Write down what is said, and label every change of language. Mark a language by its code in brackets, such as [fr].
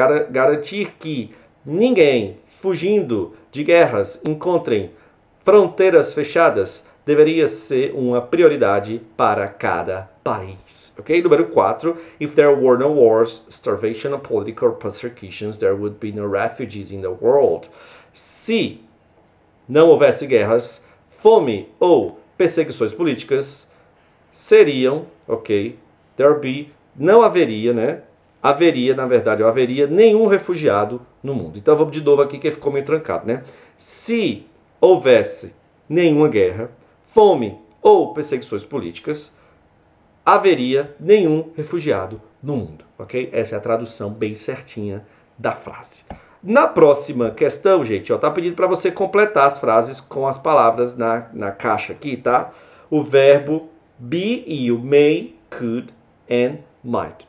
[pt] Garantir que ninguém fugindo de guerras encontrem fronteiras fechadas deveria ser uma prioridade para cada país. [en] Okay? [pt] Número quatro, [en] if there were no wars, starvation, and political persecutions, there would be no refugees in the world. [pt] Se não houvesse guerras, fome ou perseguições políticas, seriam, ok, [en] there be, [pt] não haveria, né? Haveria, na verdade, haveria nenhum refugiado no mundo. Então vamos de novo aqui que ficou meio trancado, né? Se houvesse nenhuma guerra, fome ou perseguições políticas, haveria nenhum refugiado no mundo, ok? Essa é a tradução bem certinha da frase. Na próxima questão, gente, ó, tá pedindo para você completar as frases com as palavras na caixa aqui, tá? O verbo be e o may, could and might.